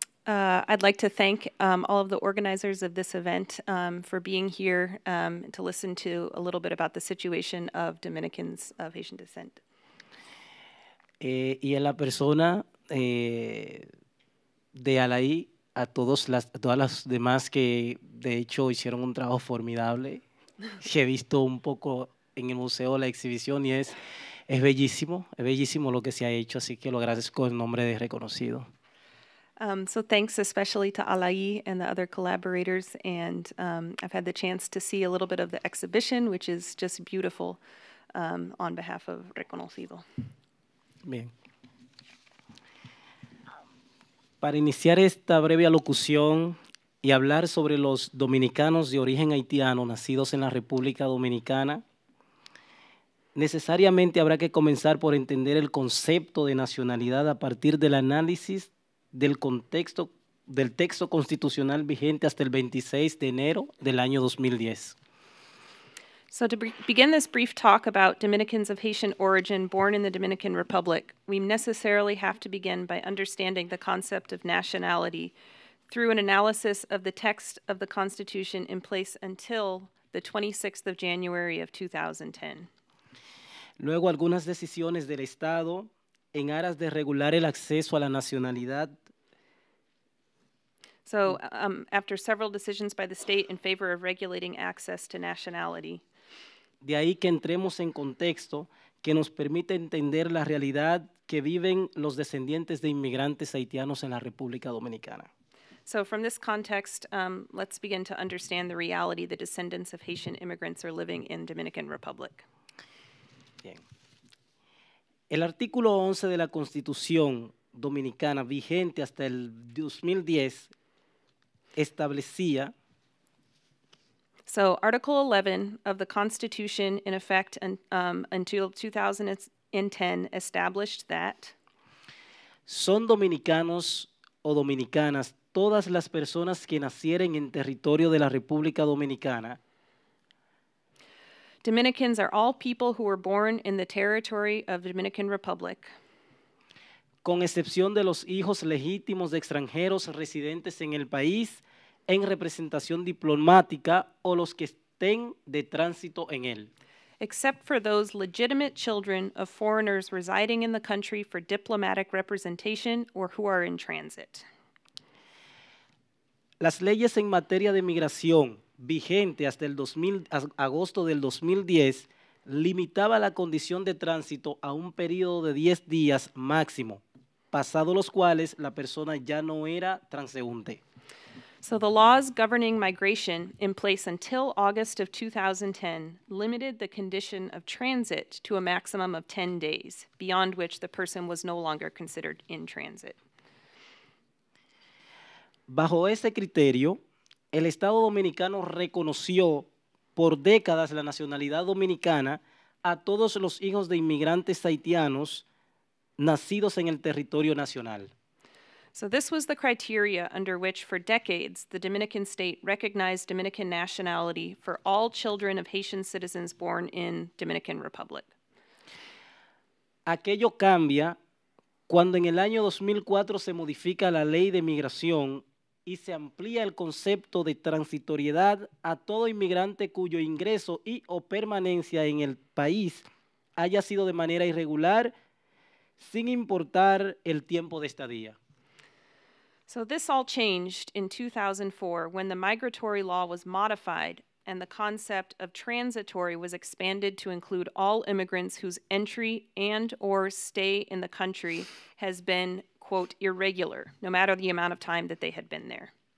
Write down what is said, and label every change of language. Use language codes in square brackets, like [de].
[en] I'd like to thank all of the organizers of this event for being here to listen to a little bit about the situation of Dominicans of Haitian descent. [es] Y en la persona de Alaí, a todas las demás que de hecho hicieron un trabajo formidable, que he visto un poco en el museo la exhibición y es bellísimo lo que se ha hecho, así que lo agradezco en nombre de Reconoci.do. [en] So thanks especially to Alaí and the other collaborators, and I've had the chance to see a little bit of the exhibition, which is just beautiful, on behalf of Reconocido. [es] Bien. Para iniciar esta breve alocución y hablar sobre los dominicanos de origen haitiano nacidos en la República Dominicana, necesariamente habrá que comenzar por entender el concepto de nacionalidad a partir del análisis del contexto del texto constitucional vigente hasta el 26 de enero del año 2010. [en] So to begin this brief talk about Dominicans of Haitian origin born in the Dominican Republic, we necessarily have to begin by understanding the concept of nationality through an analysis of the text of the Constitution in place until the 26th of January of 2010. [es] Luego, algunas decisiones del Estado en aras de regular el acceso a la nacionalidad. [en] So, after several decisions by the state in favor of regulating access to nationality. [es] De ahí que entremos en contexto que nos permite entender la realidad que viven los descendientes de inmigrantes haitianos en la República Dominicana. [en] So, from this context, let's begin to understand the reality the descendants of Haitian immigrants are living in Dominican Republic. [es] Bien. El artículo 11 de la Constitución Dominicana, vigente hasta el 2010, establecía. [en] So, Article 11 of the Constitution, in effect until 2010, established that. [es] Son dominicanos o dominicanas todas las personas que nacieren en territorio de la República Dominicana. [en] Dominicans are all people who were born in the territory of the Dominican Republic. [es] Con excepción de los hijos legítimos de extranjeros residentes en el país en representación diplomática o los que estén de tránsito en él. [en] Except for those legitimate children of foreigners residing in the country for diplomatic representation or who are in transit. [es] Las leyes en materia de migración vigente hasta el agosto del 2010 limitaba la condición de tránsito a un periodo de 10 días máximo, pasado los cuales la persona ya no era transeúnte. [en] So the laws governing migration in place until August of 2010 limited the condition of transit to a maximum of 10 days, beyond which the person was no longer considered in transit. [es] Bajo ese criterio, el Estado dominicano reconoció por décadas la nacionalidad dominicana a todos los hijos de inmigrantes haitianos nacidos en el territorio nacional. [en] So this was the criteria under which for decades the Dominican state recognized Dominican nationality for all children of Haitian citizens born in Dominican Republic. [es] Aquello cambia cuando en el año 2004 se modifica la ley de migración y se amplía el concepto de transitoriedad a todo inmigrante cuyo ingreso y o permanencia en el país haya sido de manera irregular, sin importar el tiempo de estadía. [en] So this all changed in 2004 when the migratory law was modified and the concept of transitory was expanded to include all immigrants whose entry and or stay in the country has been, quote, irregular, no matter the amount of time that they had been there.